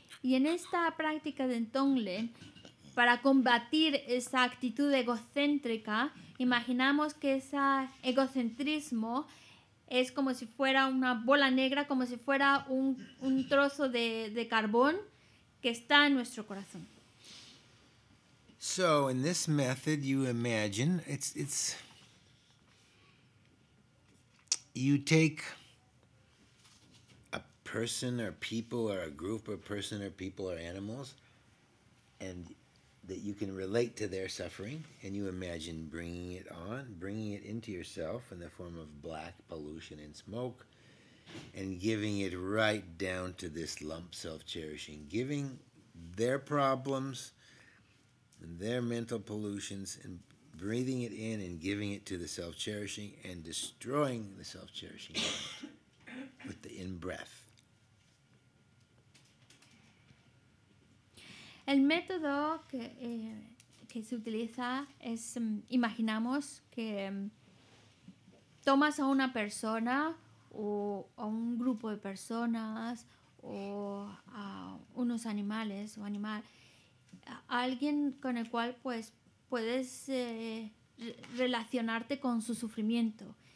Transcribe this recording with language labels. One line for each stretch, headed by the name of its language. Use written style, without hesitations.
Spanish: Y en esta práctica de Tonglen, para combatir esa actitud egocéntrica, imaginamos que ese egocentrismo es como si fuera una bola negra, como si fuera un trozo de carbón que está en nuestro corazón.
English: So, in this method, you imagine, it's you take a person or people or a group of person or people or animals and that you can relate to their suffering, and you imagine bringing it into yourself in the form of black pollution and smoke, and giving it right down to this lump self-cherishing, giving their problems and their mental pollutions and breathing it in and giving it to the self-cherishing and destroying the self-cherishing with the in-breath.
Spanish: El método que se utiliza es, imaginamos que tomas a una persona o a un grupo de personas o a unos animales o animal, a alguien con el cual pues puedes relacionarte con su sufrimiento.